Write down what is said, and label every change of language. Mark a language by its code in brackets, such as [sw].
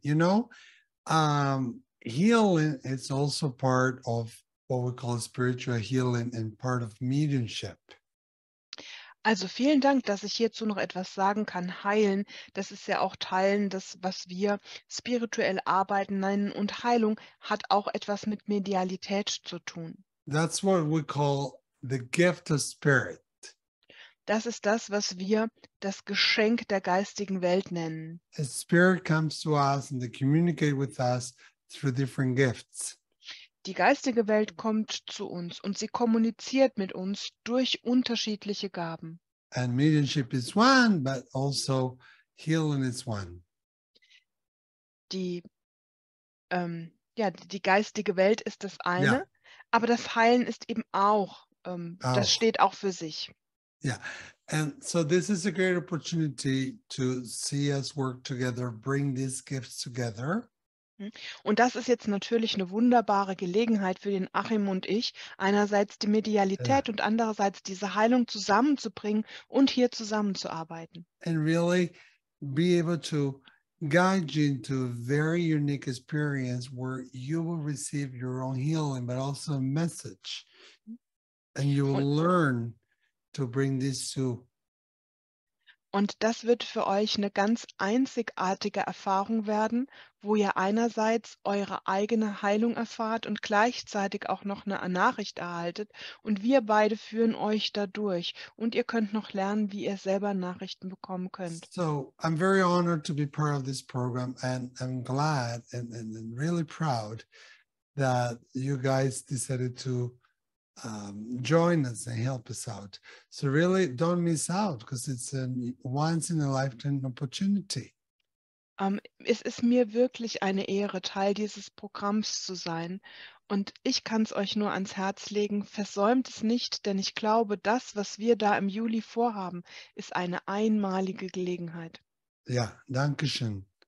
[en] You know, healing is also part of what we call spiritual healing and part of mediumship. [de] Also vielen Dank, dass ich hierzu noch etwas sagen kann. Heilen, das ist ja auch Teilen, das, was wir spirituell arbeiten nennen. Und Heilung hat auch etwas mit Medialität zu tun. [en] That's what we call the gift of spirit. [de] Das ist das, was wir das Geschenk der geistigen Welt nennen. [en] A spirit comes to us and they communicate with us through different gifts. [de] Die geistige Welt kommt zu uns und sie kommuniziert mit uns durch unterschiedliche Gaben. [en] And mediumship is one, but also healing is one. [de] Die geistige Welt ist das eine, yeah. Aber das Heilen ist eben auch, das steht auch für sich. [en] Yeah, and so this is a great opportunity to see us work together, bring these gifts together. [de] Und das ist jetzt natürlich eine wunderbare Gelegenheit für den Achim und ich, einerseits die Medialität und andererseits diese Heilung zusammenzubringen und hier zusammenzuarbeiten. [en] And really be able to guide you into a very unique experience where you will receive your own healing, but also a message. And you will learn to bring this to. [de] Und das wird für euch eine ganz einzigartige Erfahrung werden, wo ihr einerseits eure eigene Heilung erfahrt und gleichzeitig auch noch eine Nachricht erhaltet. Und wir beide führen euch dadurch. Und ihr könnt noch lernen, wie ihr selber Nachrichten bekommen könnt. [en] So, I'm very honored to be part of this program and I'm glad and really proud that you guys decided to join us and help us out. So really don't miss out because it's a once in a lifetime opportunity. [de] Es ist mir wirklich eine Ehre, Teil dieses Programms zu sein. Und ich kann es euch nur ans Herz legen, versäumt es nicht, denn ich glaube, das, was wir da im Juli vorhaben, ist eine einmalige Gelegenheit. Ja, danke schön.